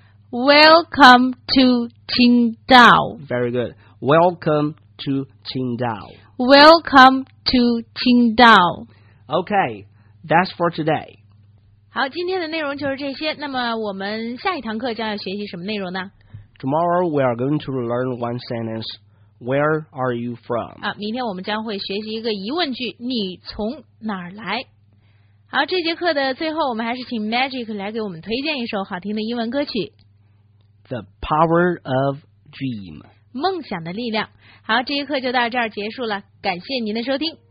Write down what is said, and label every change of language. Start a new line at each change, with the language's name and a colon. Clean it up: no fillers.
English: Welcome to Qingdao. Very good. Welcome to Qingdao. Welcome to Qingdao. Okay, that's for today.
Chinese: 好，今天的内容就是这些。那么我们下一堂课将要学习什么内容呢？
English: Tomorrow we are going to learn one sentence. Where are you from?
Chinese: 啊，明天我们将会学习一个疑问句，你从哪儿来？好，这节课的最后，我们还是请 Magic 来给我们推荐一首好听的英文歌曲。
English: The Power of Dream.
Chinese: 梦想的力量。好，这节课就到这儿结束了，感谢您的收听。